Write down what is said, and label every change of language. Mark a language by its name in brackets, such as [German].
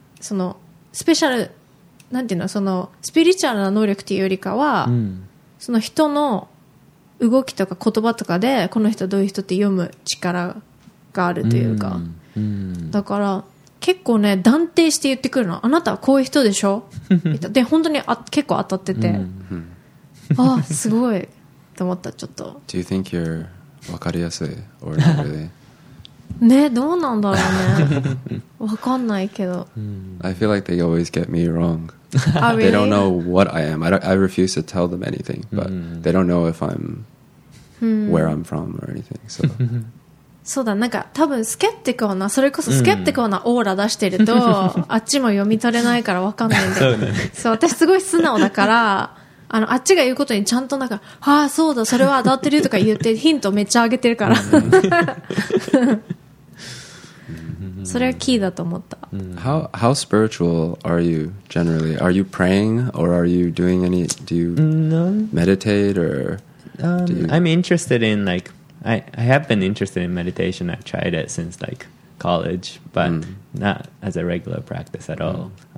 [Japanese] そのスペシャル、なんていうの、そのスピリチュアルな能力というよりかは、その人の動きとか言葉とかでこの人どういう人って読む力があるというか、だから結構ね断定して言ってくるの、あなたはこういう人でしょで本当に結構当たってて、あ、すごいと思った。ちょっと [English] Do you think you're [Japanese] 分かりやすい [English] or not really? ね、どうなんだろうね、分かんないけど。 I feel like they always get me wrong. 、 oh, really? They don't know what I am. I refuse to tell them anything, but they don't know if I'm where I'm from or anything, so [Japanese] そうだ、なんか多分スケプティカルな、それこそスケプティカルなオーラ出してると、あっちも読み取れないから分かんないんだよ。そう、私すごい素直だから、あの、あっちが言うことにちゃんとなんか、ああそうだ、それは当たってるとか言ってヒントめっちゃあげてるからそれはキーだと思った。 [English] How spiritual are you generally? Are you praying or are you doing any, do you meditate or I'm interested in like I have been interested in meditation. I've tried it since like college, but not as a regular practice at all.